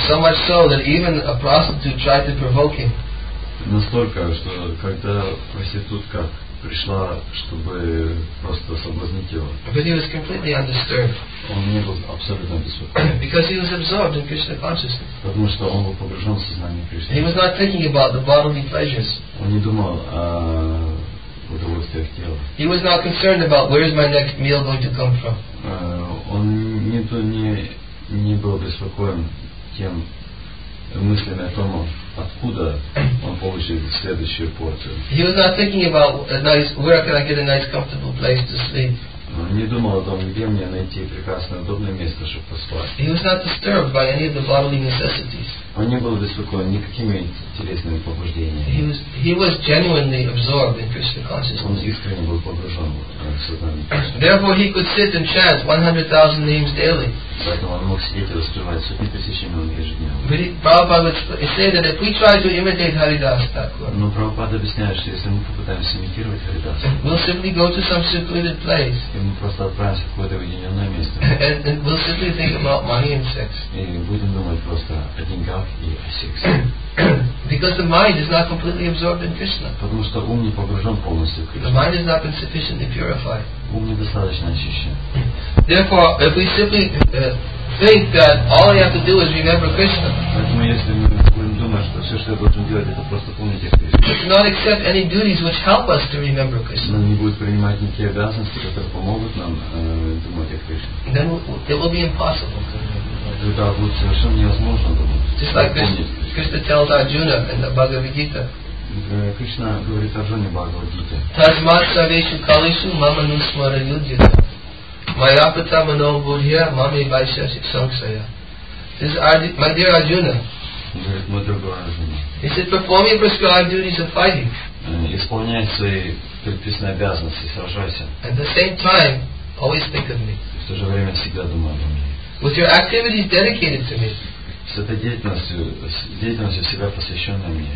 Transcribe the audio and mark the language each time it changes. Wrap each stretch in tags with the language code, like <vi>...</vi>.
<en>So much so that even a prostitute tried to provoke him.</en> <ru>Настолько, что когда проститутка пришла, чтобы просто соблазнить его.</ru> <en>But he was completely undisturbed.</en> <ru>Он не был абсолютно беспокоен.</ru> <en>Because he was absorbed in Krishna consciousness.</en> <ru>Потому что он был погружен в сознание Кришны.</ru> <en>He was not thinking about the bodily pleasures.</en> <ru>Он не думал о удовольствиях тела.</ru> <en>He was not concerned about where is my next meal going to come from.</en> <ru>Он не был беспокоен тем мыслями о том, откуда он получит следующую порцию.</ru> <en>He was not thinking about a nice, where can I get a nice comfortable place to sleep.</en> <ru>Он не думал о том, где мне найти прекрасное удобное место, чтобы поспать.</ru> <en>He was not disturbed by any of the bodily necessities.</en> <ru>Он не был беспокоен никакими телесными побуждениями.</ru> <en>He was genuinely absorbed in Krishna consciousness.</en> <ru>Он искренне был погружен в сознание.</ru> <en>Therefore he could sit and chant 100,000 names daily.</en> <ru>Поэтому он мог сидеть и воспевать сотни тысяч имен ежедневно.</ru> <en>Prabhupada would say that if we try to imitate Haridas Thakur,</en> <ru>но Прабхупада объясняет, что если мы попытаемся имитировать Харидаса,</ru> <en>we'll simply go to some secluded place.</en> <ru>И мы просто отправимся в какое-то уединенное место.</ru> <en>And we'll simply think about money and sex.</en> <ru>И будем думать просто о деньгах и о сексе.</ru> <en>Because the mind is not completely absorbed in Krishna.</en> <ru>Потому что ум не погружен полностью в Кришну.</ru> <en>The mind has not been sufficiently purified.</en> <ru>Ум недостаточно очищен.</ru> <en>Therefore, if we simply think that all I have to do is remember Krishna.</en> <ru>Поэтому если мы будем думать, что все, что я должен делать, это просто помнить о Кришне.</ru> <en>But not accept any duties which help us to remember Krishna.</en> <ru>Но не будет принимать никакие обязанности, которые помогут нам думать о Кришне.</ru> <en>Then it will be impossible.</en> <ru>Тогда будет совершенно невозможно думать.</ru> <en>Just like Krishna tells Arjuna in the Bhagavad Gita.</en> <ru>Кришна говорит Арджуне Бхагавад Гите.</ru> <sa>Тасмат савешу калишу мама нусмара юджита. Майапата мано бурья маме байша сиксанксая.</sa> <en>This is my dear Arjuna.</en> <ru>Говорит мой другой Арджуна.</ru> <en>He said, perform your prescribed duties of fighting.</en> <ru>Исполняй свои предписанные обязанности, сражайся.</ru> <en>At the same time, always think of me.</en> <ru>В то же время всегда думай обо мне.</ru> <en>With your activities dedicated to me.</en> <ru>С этой деятельностью себя посвященной мне.</ru>